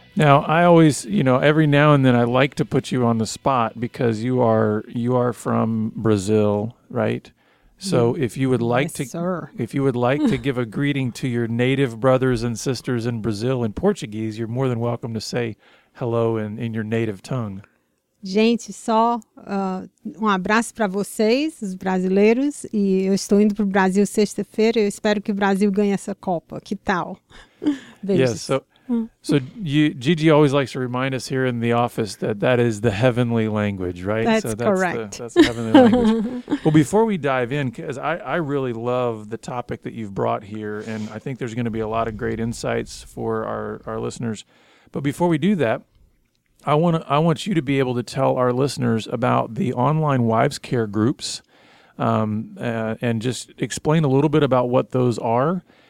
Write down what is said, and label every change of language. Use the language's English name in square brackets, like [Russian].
[English] Now, I always, you know, every now and then I like to put you on the spot because you are from Brazil, right? So if you would like to give a greeting to your native brothers and sisters in Brazil in Portuguese, you're more than welcome to say hello in your native tongue. [Portuguese] Gente, só abraço para vocês, os brasileiros, e eu estou indo para o Brasil sexta-feira, eu espero que o Brasil ganhe essa Copa, que tal? Beijos. [English] Yeah, so you, Gigi always likes to remind us here in the office that is the heavenly language, right? That's correct. That's the heavenly language. Well, before we dive in, because I really love the topic that you've brought here, and I think there's going to be a lot of great insights for our listeners, but before we do that, I want you to be able to tell our listeners about the online wives care groups and just explain a little bit about what those are.